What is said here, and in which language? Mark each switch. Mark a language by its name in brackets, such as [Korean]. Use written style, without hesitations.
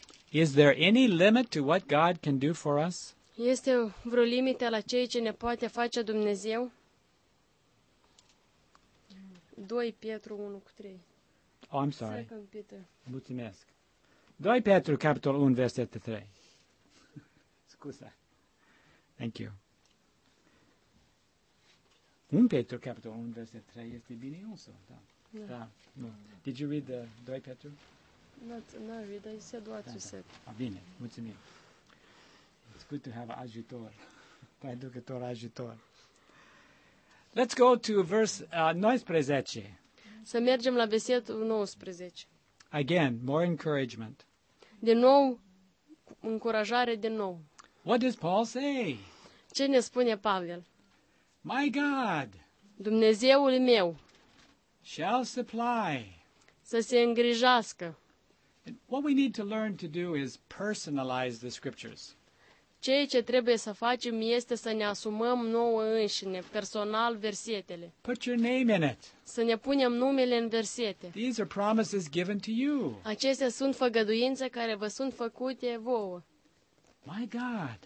[English] Is there any limit to what God can do for us? [Romanian] Este vreo limită la ceea ce ne poate face Dumnezeu? 2 Petru 1:3. [English] Oh, I'm sorry. [Romanian] Mulțumesc. 2 Petru, capitolul 1, versetul 3. Scuze. [English] Thank you. [Romanian] 1 Petru, capitolul 1, versetul 3, este bine însă. Da. Da. [English] No. Did you read the 2 Petru? Not read, I said what you said. [Romanian] Ah, bine, mulțumim. [English] It's good to have ajutor. [Romanian] Traducător ajutor. [English] Let's go to verse 19. [Romanian] Să mergem la versetul 19. [English] Again, more encouragement. [Romanian] De nou, încurajare de nou. [English] What does Paul say? [Romanian] Ce ne spune Pavel? [English] My God. [Romanian] Dumnezeul meu. [English] Shall supply. [Romanian] Să se îngrijească. [English] And what we need to learn to do is personalize the scriptures. [Romanian] Ceea ce trebuie să facem este să ne asumăm nouă înșine, personal, versetele. [English] Put your name in it. [Romanian] Să ne punem numele în versete. [English] These are promises given to you. [Romanian] Acestea sunt făgăduințe care vă sunt făcute vouă. [English] My God.